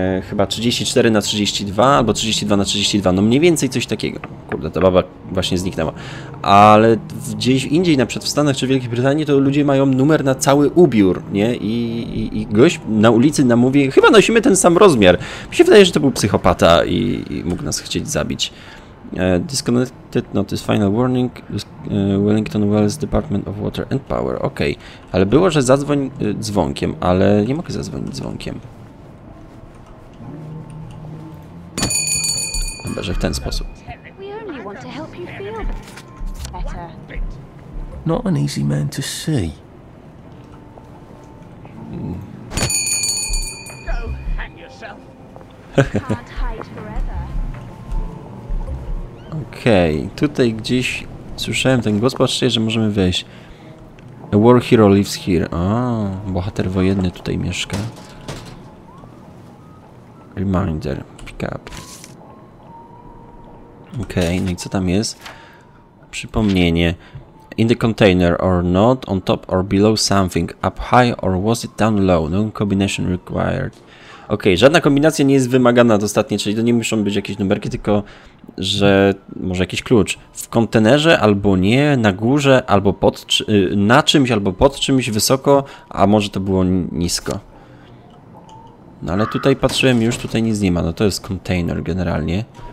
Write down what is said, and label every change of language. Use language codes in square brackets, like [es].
[pl] chyba 34 na 32 albo 32 na 32, no mniej więcej coś takiego. Kurde, ta baba właśnie zniknęła. Ale gdzieś indziej, na przykład w Stanach czy Wielkiej Brytanii, to ludzie mają numer na cały ubiór, nie? I gość na ulicy nam mówi, chyba nosimy ten sam rozmiar. Mi się wydaje, że to był psychopata i mógł nas chcieć zabić. [en] Disconnected notice, final warning, Wellington Wells, Department of Water and Power. [pl] Okej, okay. Ale było, że zadzwoń dzwonkiem, ale nie mogę zadzwonić dzwonkiem. Chyba, że w ten sposób. [en] Not an easy man to see. Go hang yourself. Can't hide forever. [pl] Okej, okay. Tutaj gdzieś słyszałem ten głos, patrzcie, że możemy wejść. [en] A war hero lives here. [pl] O, bohater wojenny tutaj mieszka. [en] Reminder, pick up. [pl] Okej, okay, no i co tam jest? Przypomnienie. [en] In the container or not, on top or below something, up high or was it down low, no combination required. [pl] Okej, okay, żadna kombinacja nie jest wymagana dostatnio, czyli to nie muszą być jakieś numerki, tylko że może jakiś klucz. W kontenerze albo nie, na górze albo pod, na czymś albo pod czymś, wysoko, a może to było nisko. No ale tutaj patrzyłem, już tutaj nic nie ma, no to jest container generalnie.